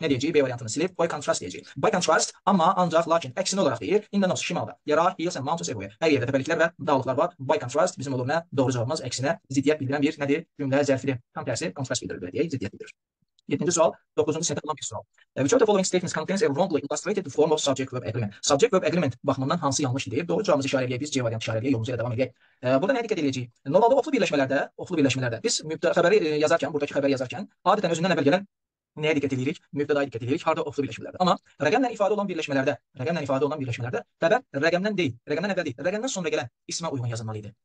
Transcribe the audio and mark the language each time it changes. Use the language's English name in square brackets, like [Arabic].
[Azerbaijani] Nə deyəcəyik? B variantını silib, by contrast deyəcəyik. By contrast, amma ancaq, lakin, əksinə olaraq deyir, in the nose, şimalda, yara, [English] hills and mountains, everywhere. [Azerbaijani] Hər yerdə təpəliklər və dağlıqlar var. By contrast, bizim olur nə? Doğru cavabımız əksinə, ziddiyyət bildirən bir nədir? Cümlə zərfidir. Tam tərsi, contrast bildirir, belə deyək, ziddiyyət bildirir. 7-ci sual, 9-cu sətdə olan bir sual. [English] Which of the following statements contains a wrongly illustrated form of subject verb agreement? [Azerbaijani] Subject verb agreement baxımından hansı yanlış deyib? Doğru cavabımız işarəliyə biz C variantı işarəliyə yolumuza davam edək. Burada nəyə diqqət eləyəcəyik? Normalde oflu birləşmələrdə biz mübtəda xəbəri yazarkən, buradakı xəbəri yazarkən adətən özündən əvvəl gələn nəyə diqqət edirik? Mübtədaya diqqət edirik. Harda oflu birləşmələrdə. Amma rəqəmlə ifadə olan birləşmələrdə xəbər rəqəmdən deyil, rəqəmdən əvvəl deyil, rəqəmdən sonra gələn ismə uyğun yazılmalı idi.